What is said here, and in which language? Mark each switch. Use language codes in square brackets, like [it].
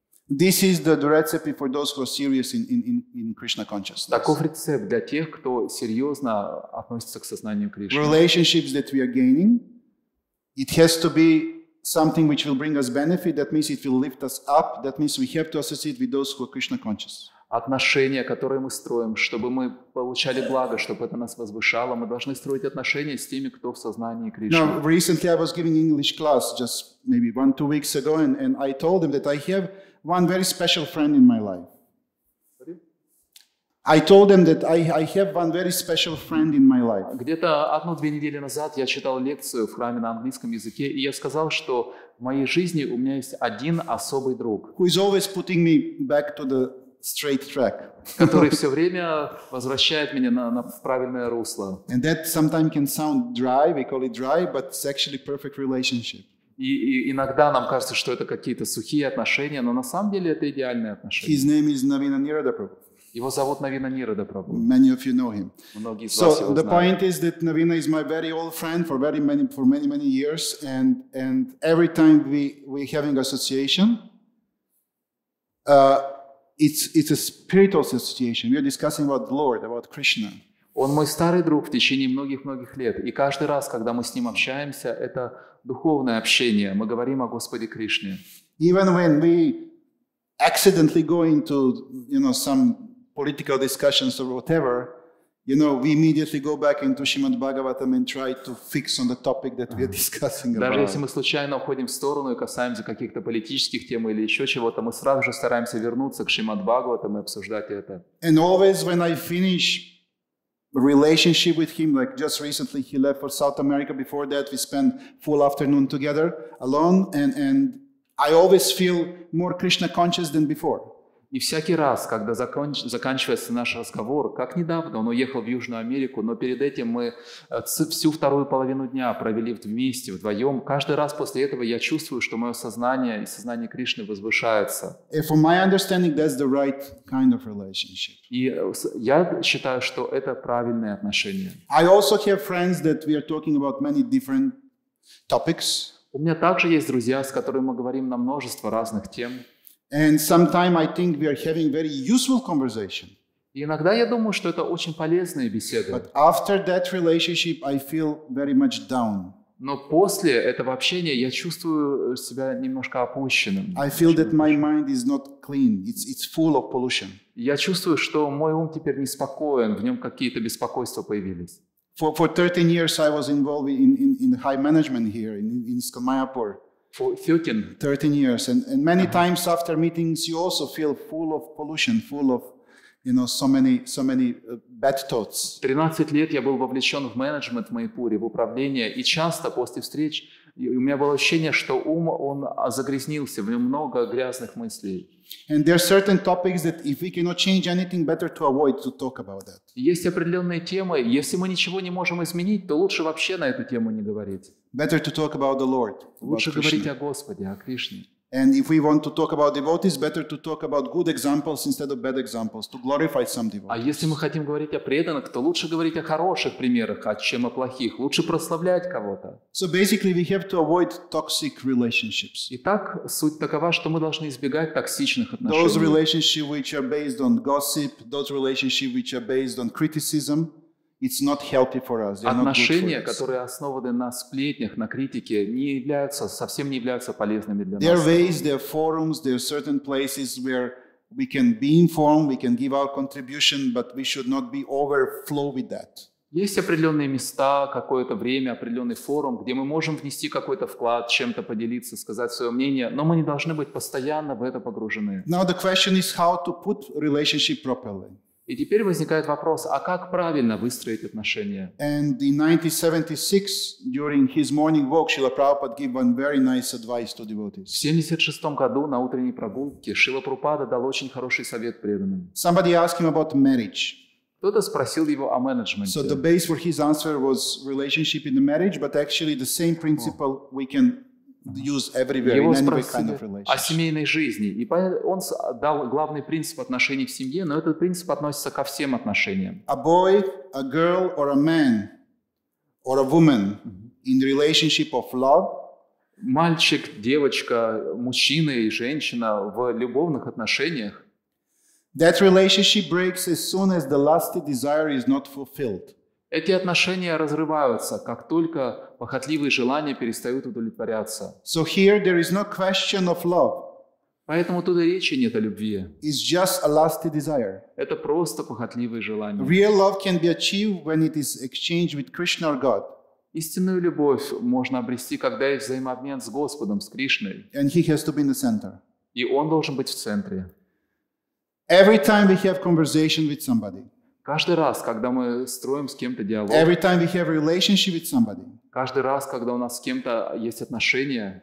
[en] This is the recipe for those who are serious in Krishna consciousness. [ru] Таков рецепт для тех, кто серьезно относится к сознанию Кришны. [en] Relationships that we are gaining, it has to be something which will bring us benefit. That means it will lift us up. That means we have to associate with those who are Krishna conscious. [ru] Отношения, которые мы строим, чтобы мы получали благо, чтобы это нас возвышало, мы должны строить отношения с теми, кто в сознании Кришны. [en] Now, recently I was giving English class, just maybe 1-2 weeks ago, and I told them that I have one very special friend in my life. I told them that I have one very special friend in my life. [ru] Где-то 1-2 недели назад я читал лекцию в храме на английском языке, и я сказал, что в моей жизни у меня есть один особый друг. [en] Who is always putting me back to the straight track. [ru] Который все время возвращает меня на правильное русло. [en] And that sometimes can sound dry, we call it dry, but it's actually perfect relationship. [ru] И иногда нам кажется, что это какие-то сухие отношения, но на самом деле это идеальные отношения. [en] His name is Navina Nirada Prabhu. [ru] Его зовут Навина Нирада Прабху. [en] Many of you know him. [ru] Многие из so вас его знают. [en] So the point is that Navina is my very old friend for very many, for many, many years, and every time we having association. It's a spiritual association. We are discussing about the Lord, about Krishna. [ru] Он мой старый друг в течение многих-многих лет, и каждый раз, когда мы с ним общаемся, это духовное общение. Мы говорим о Господе Кришне. [en] Even when we accidentally go into, you know, some political discussions or whatever, you know, we immediately go back into Shrimad Bhagavatam and try to fix on the topic that we are discussing about. [ru] Даже если мы случайно уходим в сторону и касаемся каких-то политических тем или еще чего-то, мы сразу же стараемся вернуться к Шримад Бхагаватам и обсуждать это. [en] And always when I finish relationship with him, like just recently he left for South America, before that we spent full afternoon together alone, and I always feel more Krishna conscious than before. [ru] И всякий раз, когда заканчивается наш разговор, как недавно он уехал в Южную Америку, но перед этим мы всю вторую половину дня провели вместе, вдвоем. Каждый раз после этого я чувствую, что мое сознание и сознание Кришны возвышается. [en] From my understanding, that's the right kind of relationship. [ru] И я считаю, что это правильные отношения. [en] I also have friends that we are talking about many different topics. [ru] У меня также есть друзья, с которыми мы говорим на множество разных тем. [en] And sometimes I think we are having very useful conversation. [ru] Иногда я думаю, что это очень полезные беседы. [en] But after that relationship, I feel very much down. [ru] Но после этого общения я чувствую себя немножко опущенным. [en] I feel that my mind is not clean. It's full of pollution. [ru] Я чувствую, что мой ум теперь неспокоен, в нем какие-то беспокойства появились. [en] For 13 years I was involved in high management here in ISKCON Mayapur. For 13. 13 years, and many uh-huh. times after meetings, you also feel full of pollution, full of, you know, so many bad thoughts. [ru] 13 лет я был вовлечен в менеджмент в Майпуре, в управление, и часто после встреч у меня было ощущение, что ум он загрязнился, в нем много грязных мыслей. [en] And there are certain topics that if we cannot change anything, better to avoid to talk about that. [ru] Есть определенные темы, если мы ничего не можем изменить, то лучше вообще на эту тему не говорить. [en] Better to talk about the Lord. [ru] Лучше говорить о Господе, о Кришне. [en] And if we want to talk about devotees, better to talk about good examples instead of bad examples, to glorify some devotees. [ru] А если мы хотим говорить о преданных, то лучше говорить о хороших примерах, а чем о плохих. Лучше прославлять кого-то. [en] So basically, we have to avoid toxic relationships. [ru] Итак, суть такова, что мы должны избегать токсичных отношений. [en] Those relationships which are based on gossip, those relationships which are based on criticism, it's not healthy for us. [ru] Отношения, которые основаны на сплетнях, на критике, не являются, совсем не являются полезными для нас. [en] There are ways, there are forums, there are certain places where we can be informed, we can give our contribution, but we should not be overflow with that. [ru] Есть определенные места, какое-то время, определенный форум, где мы можем внести какой-то вклад, чем-то поделиться, сказать свое мнение, но мы не должны быть постоянно в это погружены. [en] Now the question is how to put relationship properly. [ru] И теперь возникает вопрос, а как правильно выстроить отношения? [en] And in 1976, during his morning walk, Srila Prabhupada gave one very nice advice to devotees. [ru] В 76 году на утренней прогулке Шрила Прабхупада дал очень хороший совет преданным. [en] Somebody asked him about marriage. [ru] Кто-то спросил его о менеджменте. [en] So the base for his answer was relationship in the marriage, but actually the same principle we can use everywhere, [ru] его [en] in any way kind of relationship. [ru] О семейной жизни. И он дал главный принцип отношений в семье, но этот принцип относится ко всем отношениям. [en] A boy, a girl, or a man, or a woman in relationship of love. [ru] Мальчик, девочка, мужчина и женщина в любовных отношениях. [en] That relationship breaks as soon as the lusty desire is not fulfilled. [ru] Эти отношения разрываются, как только похотливые желания перестают удовлетворяться. [en] So here there is no question of love. [ru] Поэтому тут и речи нет о любви. [en] It's just a lusty desire. [ru] Это просто похотливые желания. [en] Real love can be achieved when it is exchanged with Krishna or God. [ru] Истинную любовь можно обрести, когда есть взаимообмен с Господом, с Кришной. [en] And he has to be in the center. [ru] И он должен быть в центре. [en] Every time we have conversation with somebody. [ru] Каждый раз, когда мы строим с кем-то диалог, [en] every time we have a relationship with somebody, [ru] каждый раз, когда у нас с кем-то есть отношения,